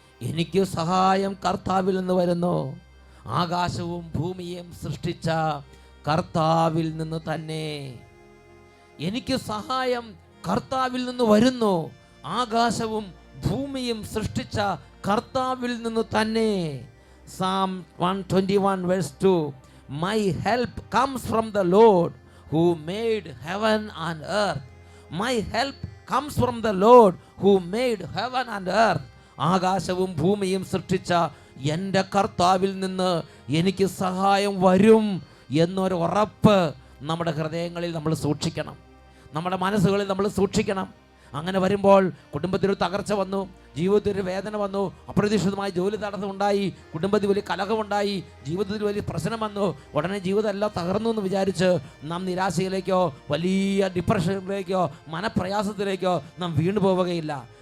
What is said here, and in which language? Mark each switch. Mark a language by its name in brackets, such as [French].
[Malayalam] എനിക്ക് സഹായം കർത്താവിൽ നിന്ന് വരുന്നു. ആകാശവും ഭൂമിയും സൃഷ്ടിച്ച കർത്താവിൽ നിന്ന് തന്നെ. എനിക്ക് സഹായം കർത്താവിൽ നിന്ന് വരുന്നു. ആകാശവും ഭൂമിയും സൃഷ്ടിച്ച കർത്താവിൽ നിന്ന് തന്നെ. [English] Psalm 121:2. My help comes from the Lord who made heaven and earth. My help comes from the Lord who made heaven and earth. [Malayalam] ആകാശവും ഭൂമിയും സൃഷ്ടിച്ച എൻ്റെ കർത്താവിൽ നിന്ന് എനിക്ക് സഹായം വരും എന്നൊരു ഉറപ്പ് നമ്മുടെ ഹൃദയങ്ങളിൽ നമ്മൾ സൂക്ഷിക്കണം, നമ്മുടെ മനസ്സുകളിൽ നമ്മൾ സൂക്ഷിക്കണം. അങ്ങനെ വരുമ്പോൾ കുടുംബത്തിൽ ഒരു തകർച്ച വന്നു, ജീവിതത്തിൽ ഒരു വേദന വന്നു, അപ്രതീക്ഷിതമായി ജോലി തടസ്സമുണ്ടായി, കുടുംബത്തിൽ വലിയ കലഹമുണ്ടായി, ജീവിതത്തിൽ വലിയ പ്രശ്നം വന്നു, ഉടനെ ജീവിതം എല്ലാം തകർന്നു എന്ന് വിചാരിച്ച് നാം നിരാശയിലേക്കോ വലിയ ഡിപ്രഷനിലേക്കോ മനഃപ്രയാസത്തിലേക്കോ നാം വീണ് പോവുകയില്ല.